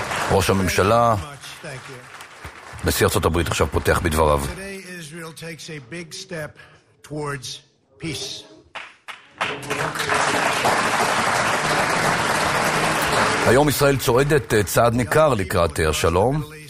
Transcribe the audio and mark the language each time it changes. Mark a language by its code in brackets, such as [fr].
[he] ראש הממשלה, נשיא ארצות הברית, עכשיו פותח בדבריו. [en] Israel takes a big step towards peace. [he] היום ישראל צועדת צעד ניכר לקראת השלום.